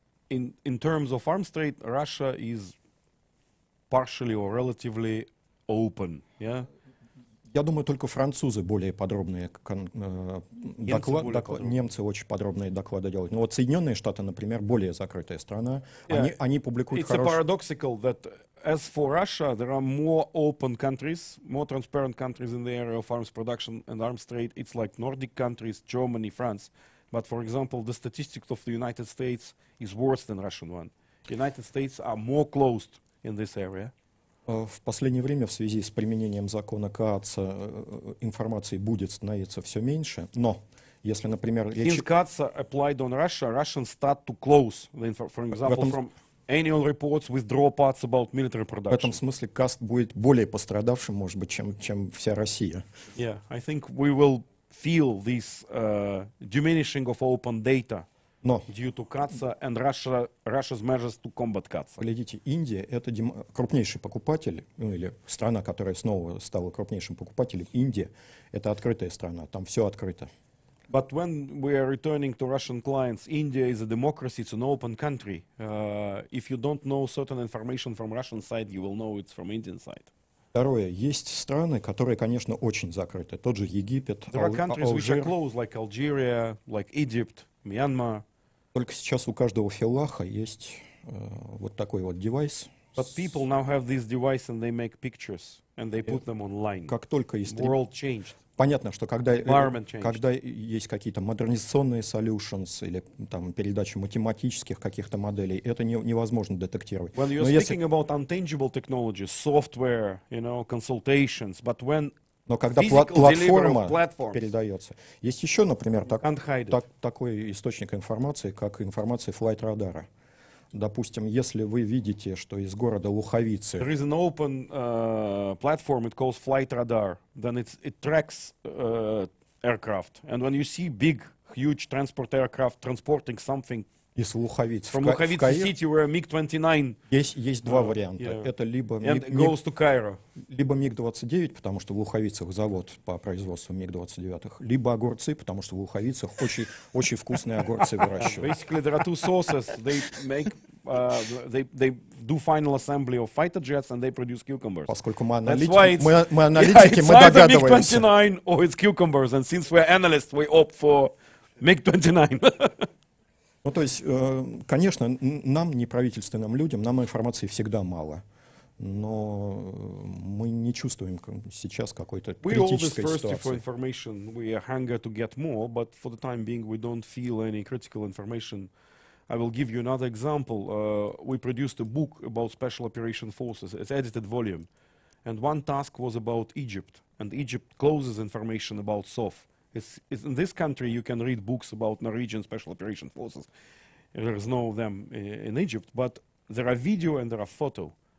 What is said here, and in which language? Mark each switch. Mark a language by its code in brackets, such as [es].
[en] In terms of arms trade, Russia is partially or relatively open. Yeah. [ru] Я думаю, только французы более подробные доклады. Немцы очень подробные доклады делают. Но вот Соединенные Штаты, например, более закрытая страна. Yeah. Они публикуют. [en] It's a paradoxical that as for Russia, there are more open countries, more transparent countries in the area of arms production and arms trade. It's like Nordic countries, Germany, France. But, for example, the statistics of the United States is worse than Russian one. The United States are more closed in this area. [ru] В последнее время в связи с применением закона КАЦА информации будет становиться все меньше. Но если, например, речь... [en] Since КАЦА applied on Russia, Russians start to close, the for example, from annual reports, withdraw parts about military production. [ru] В этом смысле КАЦ будет более пострадавшим, может быть, чем вся Россия. [en] Yeah, I think we will feel this diminishing of open data due to CATSA and Russia's measures to combat CATSA. [ru] Глядите, Индия — это крупнейший покупатель, ну или страна, которая снова стала крупнейшим покупателем. Индия — это открытая страна, там все открыто. [en] But when we are returning to Russian clients, India is a democracy, it's an open country. If you don't know certain information from Russian side, you will know it's from Indian side. [ru] Второе, есть страны, которые, конечно, очень закрыты. Тот же Египет, Алжир. Только сейчас у каждого филаха есть вот такой вот девайс. [en] But people now have this device and they make pictures and they put them online. [ru] Как только [en] world changed. [ru] Понятно, что когда есть какие-то модернизационные solutions или там передача математических каких-то моделей, это невозможно детектировать. [en] When you're speaking about intangible technologies, software, you know, consultations, but when [ru] Но когда платформа передается. Есть еще, например, такой источник информации, как информация flight radar. Допустим, если вы видите, что из города Луховицы... [en] There is an open platform, it calls flight radar. Then it tracks aircraft. And when you see big, huge transport aircraft transporting something... [ru] Из Луховицы. [en] From Луховицы City, where MiG-29... [ru] Есть два варианта. Yeah. Это либо [en] goes to Cairo. [ru] Либо МиГ-29, потому что в Луховицах завод по производству МиГ-29, либо огурцы, потому что в Луховицах очень вкусные огурцы выращивают. [en] Basically, there are two sources. They make, they do final assembly of fighter jets and they produce cucumbers. [ru] Поскольку мы аналитики, мы догадываемся. [en] It's either MiG-29 or it's cucumbers, and since we're analysts, we opt for MiG-29. [ru] Ну, то есть, конечно, нам, неправительственным людям, нам информации всегда мало. Но мы не чувствуем сейчас какой-то критической ситуации. [en] I will give you another example. We produced a book about special operation forces. It's edited volume. And one task was about Egypt. And Egypt closes information about SOF. It's in this country you can read books about Norwegian special operation forces. There's no of them in Egypt. But there are video and there are photo.